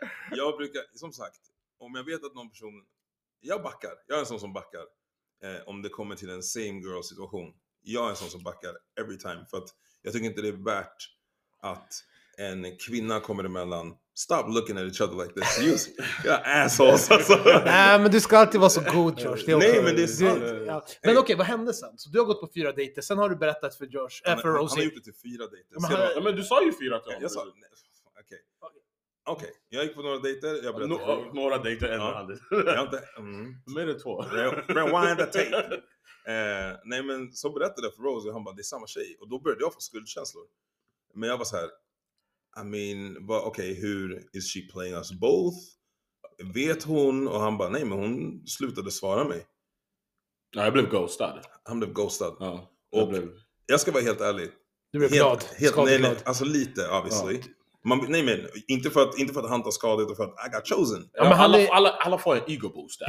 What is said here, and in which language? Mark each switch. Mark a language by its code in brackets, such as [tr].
[sv] Jag brukar, som sagt, om jag vet att någon person... Jag backar. Jag är en sån som backar. Om det kommer till en same girl-situation. Jag är en sån som backar [en] every time. [sv] För att jag tycker inte det är värt att en kvinna kommer emellan. [en] Stop looking at each other like this. You're assholes. [sv] Alltså. Nej, men du ska alltid vara så god, Josh. Nej, okay. Men det är sant. Ja. Men okej, vad hände sen? Så du har gått på 4 dejter. Sen har du berättat för Josh. Ja, för han, Rosie. Han har gjort det till 4 dejter. Men, ja, men du sa ju 4 till honom. Jag sa, okej. Okay. Okay. Jag gick på några dejter. Jag berättade några dejter ändå. Mer än 2. [en] Rewind the tape. [sv] Nej, men så berättade jag för Rosie. Han bara, det är samma tjej. Och då började jag få skuldkänslor. Men jag var så här... [en] I mean, but okay, [sv] hur [en] is she playing us both? [sv] Vet hon? Och han bara, nej, men hon slutade svara mig. Nej, jag blev ghostad. Han blev ghostad. Ja, och blev... jag ska vara helt ärlig. Du blev glad. Alltså lite, obviously. Ja. Man, nej, men inte för att han tar skadet och för att [en] I got chosen. [sv] Ja, men alla får en ego boost där.